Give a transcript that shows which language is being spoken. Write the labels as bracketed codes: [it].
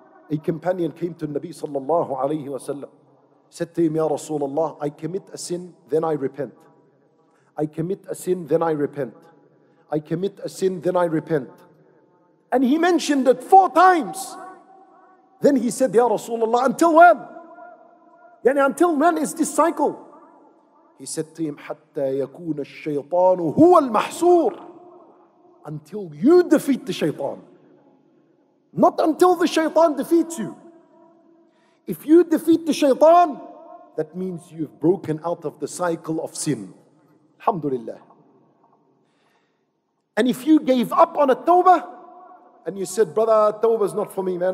[en] A companion came to Nabi sallallahu alayhi wa sallam, said to him, Ya Rasulullah, I commit a sin, then I repent. I commit a sin, then I repent. I commit a sin, then I repent. And he mentioned it four times. Then he said, Ya Rasulullah, until when? Yani, until when is this cycle? He said to him, [ar] حَتَّى يَكُونَ الشَّيْطَانُ هُوَ الْمَحْصُورِ. [en] Until you defeat the shaytan. Not until the shaytan defeats you. If you defeat the shaytan, that means you've broken out of the cycle of sin. Alhamdulillah. And if you gave up on a tawbah, and you said, brother, tawbah's not for me, man.